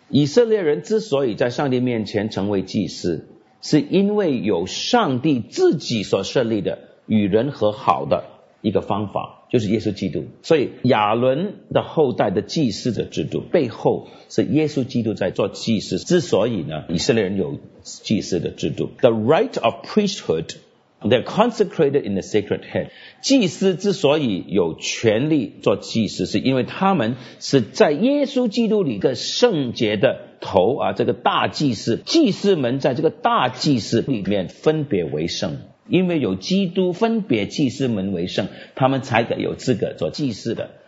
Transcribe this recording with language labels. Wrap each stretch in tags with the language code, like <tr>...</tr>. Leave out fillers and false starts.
<zh>以色列人之所以在上帝面前成为祭司，是因为有上帝自己所设立的与人和好的一个方法，就是耶稣基督。所以亚伦的后代的祭司的制度背后是耶稣基督在做祭司，之所以呢以色列人有祭司的制度。</zh> <en>The right of priesthood, they're consecrated in the sacred head.</en> <zh>祭司之所以有权利做祭司，是因为他们是在耶稣基督里的圣洁的头啊，这个大祭司，祭司们在这个大祭司里面分别为圣，因为有基督分别祭司们为圣，他们才得有资格做祭司的。</zh>